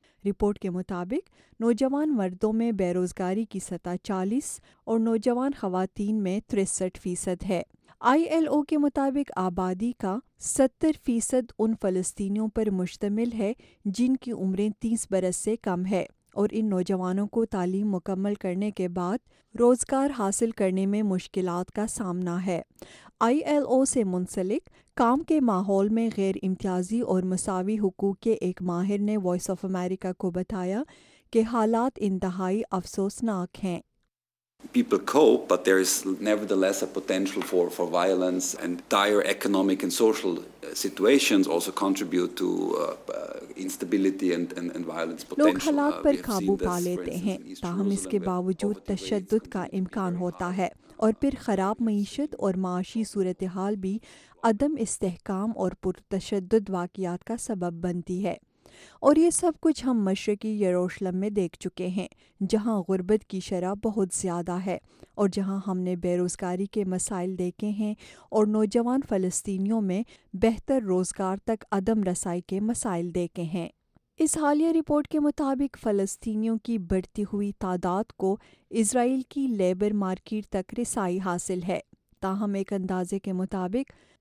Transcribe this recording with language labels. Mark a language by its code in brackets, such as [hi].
[ur] Report کے مطابق نوجوان مردوں میں بے روزگاری کی سطح 40 اور نوجوان خواتین میں 63% ہے۔ آئی ایل او کے مطابق آبادی کا 70% ان فلسطینیوں پر مشتمل ہے جن کی عمریں 30 برس سے کم ہے، اور ان نوجوانوں کو تعلیم مکمل کرنے کے بعد روزگار حاصل کرنے میں مشکلات کا سامنا ہے۔ آئی ایل او سے منسلک کام کے ماحول میں غیر امتیازی اور مساوی حقوق کے ایک ماہر نے وائس آف امریکہ کو بتایا کہ حالات انتہائی افسوسناک ہیں۔ [en] People cope, but there is nevertheless a potential for violence, and dire economic and social situations also contribute to instability and violence potential. [ur] لوگ حالات پر قابو پا لیتے ہیں، تاہم اس کے باوجود تشدد کا امکان ہوتا ہے، اور پھر خراب معیشت اور معاشی صورتحال بھی عدم استحکام اور پرتشدد واقعات کا سبب بنتی ہے۔ اور یہ سب کچھ ہم مشرقی یروشلم میں دیکھ چکے ہیں، جہاں غربت کی شرح بہت زیادہ ہے، اور جہاں ہم نے بے روزگاری کے مسائل دیکھے ہیں، اور نوجوان فلسطینیوں میں بہتر روزگار تک عدم رسائی کے مسائل دیکھے ہیں۔ اس حالیہ رپورٹ کے مطابق فلسطینیوں کی بڑھتی ہوئی تعداد کو اسرائیل کی لیبر مارکیٹ تک رسائی حاصل ہے، تاہم ایک اندازے کے مطابق